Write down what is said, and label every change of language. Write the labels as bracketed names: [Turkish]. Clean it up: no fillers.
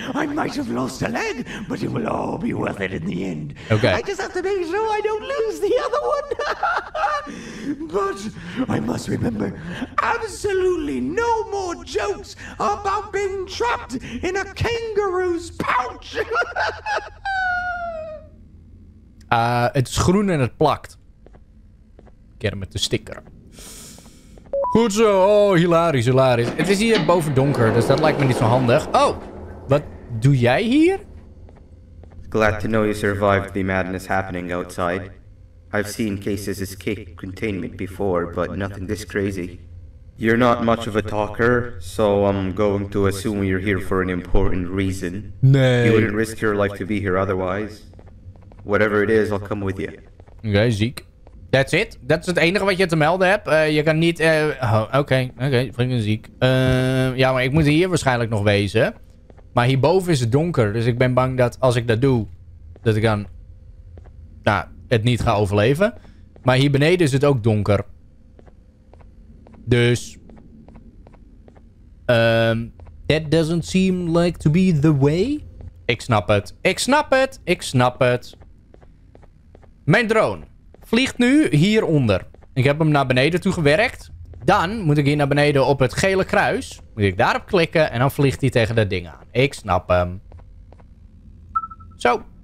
[English] I might have lost a leg, but it will all be worth it in the end. Okay. I just have to make sure I don't lose the other one. But I must remember, absolutely no more jokes about being trapped in a kangaroo's pouch. [Dutch] Het is groen en het plakt. Kermit de sticker. Goed zo. Oh, hilarisch. Het is hier boven donker, dus dat lijkt me niet zo handig. Oh, wat doe jij hier? [English] Glad to know you survived the madness happening outside. I've seen cases escape containment before, but nothing this crazy. You're not much of a talker, so I'm going to assume you're here for an important reason. [Dutch] Nee. [English] You wouldn't risk your life to be here otherwise. Whatever it is, I'll come with you. Okay, [Dutch] ziek. [English] That's it? [Dutch] Dat is het enige wat je te melden hebt? Je kan niet... Oké, vind ik een ziek. Ja, maar ik moet hier waarschijnlijk nog wezen. Maar hierboven is het donker, dus ik ben bang dat als ik dat doe, dat ik dan... Nou, het niet ga overleven. Maar hier beneden is het ook donker. Dus... [English] that doesn't seem like to be the way. [Dutch] Ik snap het. Ik snap het. Ik snap het. Mijn drone vliegt nu hieronder. Ik heb hem naar beneden toe gewerkt. Dan moet ik hier naar beneden op het gele kruis. Moet ik daarop klikken en dan vliegt hij tegen dat ding aan. Ik snap hem. Zo.